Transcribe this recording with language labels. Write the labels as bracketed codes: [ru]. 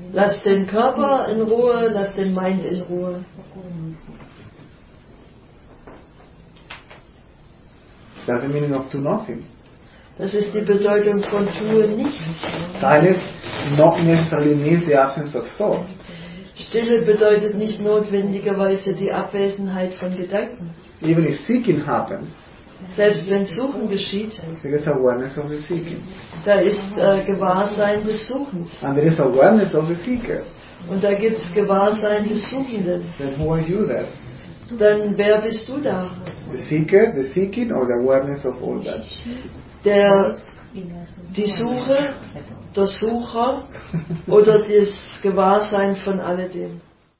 [de] Lass den Körper in Ruhe, lass den Mind in Ruhe. [en] That's the meaning of do nothing. [de] Das ist die Bedeutung von tue nichts. [en] Silence not necessarily means the absence of thoughts. [de] Stille bedeutet nicht notwendigerweise die Abwesenheit von Gedanken. [en] Even if seeking happens, [de] selbst wenn Suchen geschieht, [en] there is awareness of the seeking. [de] Da ist Gewahrsein des Suchens. [en] And there is awareness of the seeker. [de] Und da gibt es Gewahrsein des Suchenden. [en] Then who are you there? [de] Dann wer bist du da? [en] The seeker, the seeking, or the awareness of all that? [de] Die Suche, der Sucher oder das Gewahrsein von alledem.